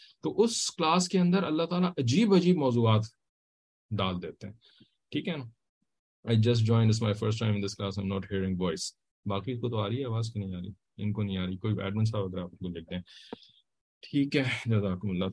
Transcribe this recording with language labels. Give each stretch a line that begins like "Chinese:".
Urdu: تو اس کلاس کے اندر اللہ تعالیٰ عجیب عجیب موضوعات ڈال دیتے ہیں, ٹھیک ہے نا.
English: I just joined, it's my first time in this class, I'm not hearing voice.
Urdu: باقی کو تو آ رہی ہے آواز, کی نہیں آ رہی ان کو, نہیں آ رہی کوئی ایڈمن صاحب اگر آپ کو دیکھتے ہیں, ٹھیک ہے. جزاکم اللہ.